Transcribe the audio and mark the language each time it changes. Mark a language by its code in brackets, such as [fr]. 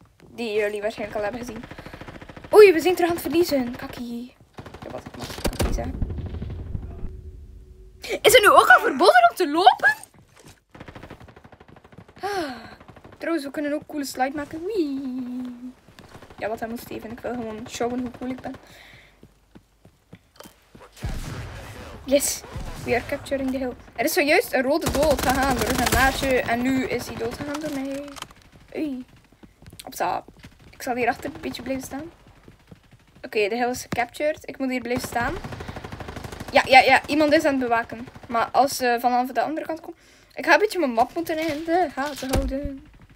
[nl] Die jullie waarschijnlijk al hebben gezien. Oei, we zijn terug aan het verliezen. Kakkie. Ja, wat ik mag. Kakkie. Is het nu ook al verboden om te lopen? Trouwens, we kunnen ook een coole slide maken. Wee. Ja, wat helemaal Steven. Ik wil gewoon showen hoe cool ik ben. [en] Yes, we are capturing the hill. [nl] Er is zojuist een rode dood gegaan door een maatje. En nu is hij dood gegaan door mij. Oei. Opsa. Ik zal hierachter een beetje blijven staan. Oké, de hill is captured. Ik moet hier blijven staan. Ja. Iemand is aan het bewaken. Maar als ze vanaf de andere kant komt... Ik ga een beetje mijn map moeten in de gaten houden.